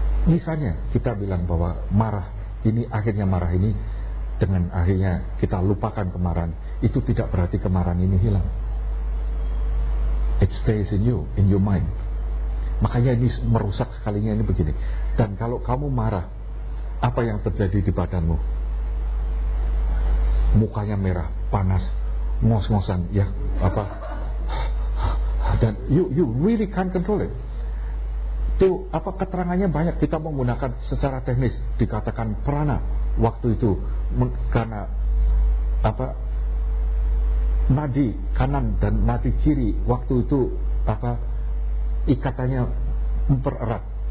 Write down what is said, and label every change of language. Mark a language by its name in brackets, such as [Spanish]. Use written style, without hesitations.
[Indonesian] Misalnya kita bilang bahwa marah ini, akhirnya marah ini, dengan akhirnya kita lupakan kemarahan, itu tidak berarti kemarahan ini hilang. [English] It stays in your mind. [Indonesian] Makanya ini merusak sekalinya ini begini. Dan kalau kamu marah, apa yang terjadi di badanmu? Mukanya merah, panas, ngos-ngosan, ya apa, dan [English] you really can't control it. [Indonesian] Tuh, apa keterangannya banyak. Kita menggunakan secara teknis dikatakan prana waktu itu karena apa nadi kanan dan nadi kiri waktu itu apa ikatannya mempererat.